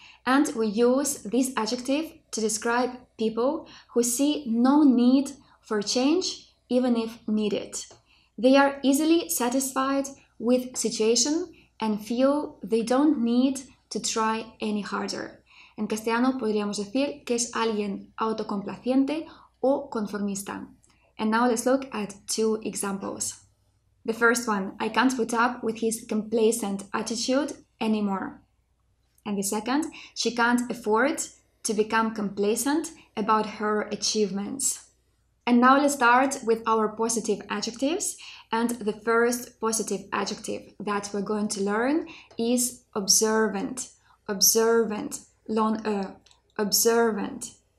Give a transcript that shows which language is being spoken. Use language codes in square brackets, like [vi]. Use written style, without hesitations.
[en] And we use this adjective to describe people who see no need for change, even if needed. They are easily satisfied with situation and feel they don't need to try any harder. [es] En castellano podríamos decir que es alguien autocomplaciente o conformista. [en] And now let's look at 2 examples. The first one, I can't put up with his complacent attitude anymore. And the second, she can't afford to become complacent about her achievements. And now let's start with our positive adjectives. And the first positive adjective that we're going to learn is observant. Observant. L'on-e. Observant.